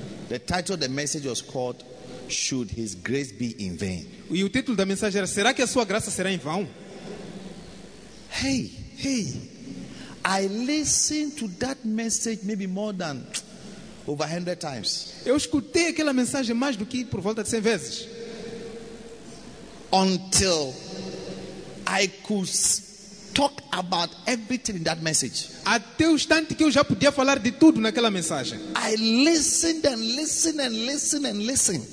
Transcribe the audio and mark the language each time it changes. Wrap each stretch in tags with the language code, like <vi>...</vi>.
<en>The title of the message was called "Should His Grace Be in Vain?"</en> <pt>E o título da mensagem era "Será que a sua graça será em vão?"</pt> <en>Hey, I listened to that message maybe more than over 100 times.</en> <pt>Eu escutei aquela mensagem mais do que por volta de 100 vezes.</pt> <en>Until I could talk about everything in that message.</en> <pt>Até o instante que eu já podia falar de tudo naquela mensagem.</pt> <en>I listened and listened and listened and listened.</en>